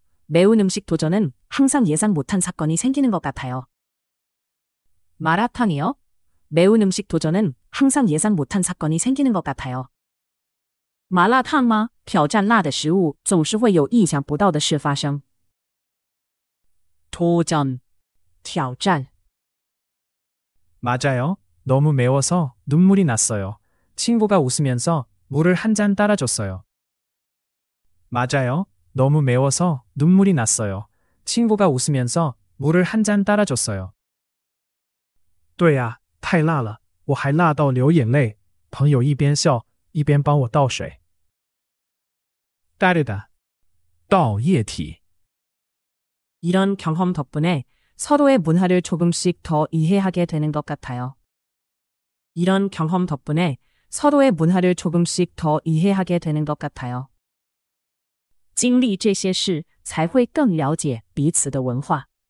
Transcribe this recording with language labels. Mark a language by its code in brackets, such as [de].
[ko] 매운 음식 도전은 항상 예상 못한 사건이 생기는 것 같아요. 마라탕이요? 매운 음식 도전은 항상 예상 못한 사건이 생기는 것 같아요. [zh] 마라탕마, 挑战辣的食物, 总是会有意想不到的事发生. [ko] 도전, [zh] 挑战. [ko] 맞아요. 너무 매워서 눈물이 났어요. 친구가 웃으면서 물을 한 잔 따라줬어요. 맞아요. 너무 매워서 눈물이 났어요. 친구가 웃으면서 물을 한 잔 따라줬어요. [zh] 对呀, 太辣了,我还辣到流眼泪, 朋友一边笑,一边帮我倒水. [ko] 따르다, [zh] 倒液体. [ko] 이런 경험 덕분에 서로의 문화를 조금씩 더 이해하게 되는 것 같아요. 이런 경험 덕분에 서로의 문화를 조금씩 더 이해하게 되는 것 같아요. [zh] 经历这些事才会更了解彼此的文化.